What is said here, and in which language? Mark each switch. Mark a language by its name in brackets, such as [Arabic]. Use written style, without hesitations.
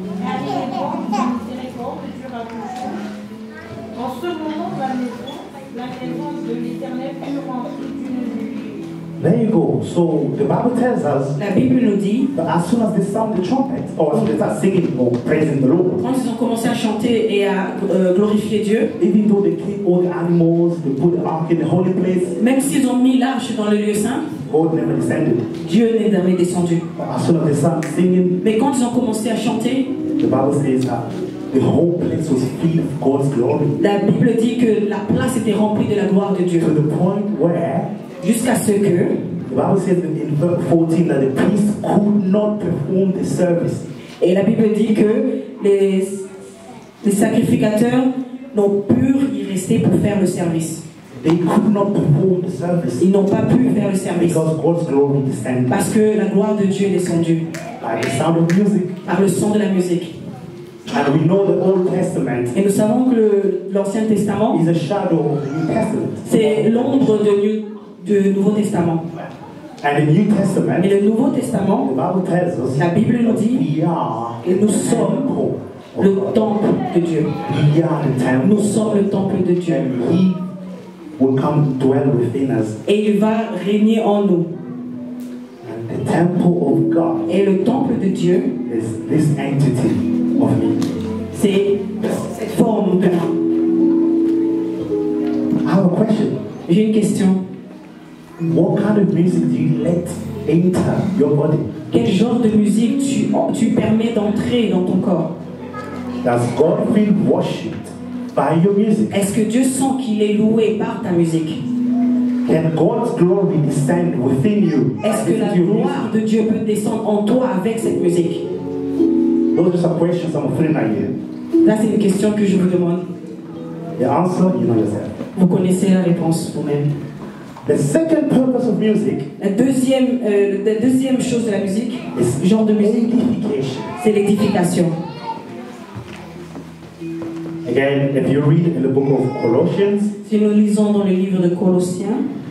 [French] Et allez, les bons, vous nous direz que Dieu va vous jouer. En ce moment, la maison de l'Éternel fut remplie d'une nuit. [English] There you go. So the Bible tells us [French] la Bible nous dit, [English] that as soon as they sound the trumpet, or as they start singing or praising the Lord, [French] quand ils ont commencé à chanter et à glorifier Dieu, [English] even though they keep all the animals, they put the ark in the holy place, [French] même s'ils ont mis l'arche dans le lieu saint, [English] God never descended. [French] Dieu n'est jamais descendu. [English] But as soon as they start singing, [French] mais quand ils ont commencé à chanter, [English] the Bible says that the whole place was filled with God's glory. [French] La Bible dit que la place était remplie de la gloire de Dieu. [English] To the point where [French] jusqu'à ce que [English] the Bible says in verse 14 that the priests could not perform the service. [French] Et la Bible dit que les sacrificateurs n'ont pu y rester pour faire le service. [English] They could not perform the service. [French] Ils n'ont pas pu faire le service. [English] Because God's glory descended. [French] Parce que la gloire de Dieu est descendue. [English] By the sound of music. [French] Par le son de la musique. [English] And we know the Old Testament. [French] Et nous savons que l'Ancien Testament [English] is a shadow of the New Testament. [French] C'est l'ombre de Dieu. Du Nouveau Testament. [English] And the New Testament, [French] et le Nouveau Testament, [English] the Bible tells us, [French] la Bible nous dit que nous sommes le temple de Dieu. [English] We are the temple. [French] Nous sommes le temple de Dieu. [English] And he will come dwell within us. [French] Et il va régner en nous. [English] And the temple of God, [French] et le temple de Dieu [English] is this entity of me. [French] C'est cette forme de moi. [English] I have a question. [French] J'ai une question. [English] What kind of music do you let enter your body? [French] Quel genre de musique tu permets d'entrer dans ton corps? [English] Does God feel worshipped by your music? [French] Est-ce que Dieu sent qu'il est loué par ta musique? [English] Can God's glory descend within you? [French] Est-ce que la gloire [English] music? [French] De Dieu peut descendre en toi avec cette musique? [English] Those are some questions I'm offering at you. [French] Là, c'est une question que je vous demande. [English] The answer, you know yourself. [French] Vous connaissez la réponse vous-même. [English] The second purpose of music. [French] La deuxième chose de la musique, genre de musique, c'est l'édification. [English] Again, if you read in the book of Colossians, [French] si nous lisons dans le livre de Colossiens,